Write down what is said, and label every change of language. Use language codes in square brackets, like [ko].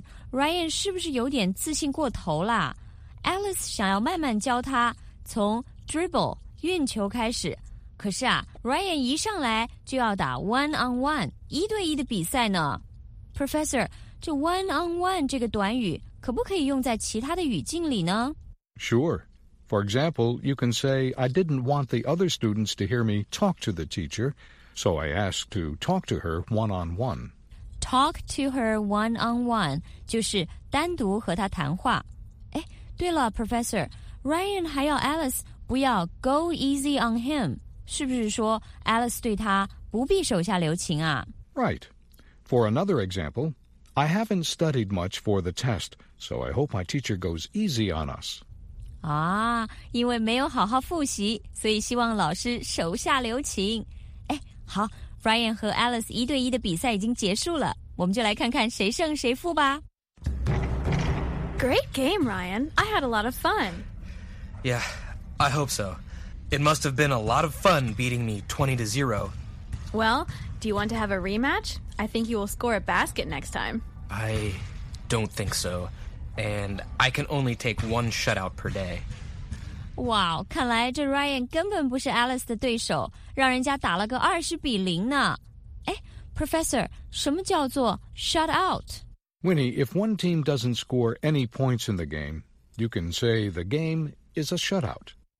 [zh] Ryan 是不是有点自信过头了 Alice 想要慢慢教他从 dribble 运球开始可是啊 Ryan 一上来就要打 one-on-one 一对一的比赛呢 Professor 这 one-on-one 这个短语可不可以用在其他的语境里呢 [en] Sure For example, you can say, I didn't want the other students to hear me talk to the teacher, so I asked to talk to her one-on-one. Talk to her one-on-one [zh] 就是单独和她谈话。哎，对了 ,Professor, Ryan 还要 Alice 不要 [en] go easy on him, [zh] 是不是说 Alice 对他不必手下留情啊 [en] ?Right. For another example, I haven't studied much for the test, so I hope my teacher goes easy on us. [zh] 啊，因为没有好好复习，所以希望老师手下留情。哎，好。 Ryan 和 Alice 一对一的比赛已经结束了，我们就来看看谁胜谁负吧。 [en] Great game, Ryan. I had a lot of fun. Yeah, I hope so. It must have been a lot of fun beating me 20-0. Well, do you want to have a rematch? I think you will score a basket next time. I don't think so. And I can only take one shutout per day. [zh] 哇、wow, 看来这 Ryan 根本不是 Alice 的对手，让人家打了个20-0呢。哎 ,Professor, 什么叫做 shut out? [en] Winnie, if one team doesn't score any points in the game, you can say the game is a shut out.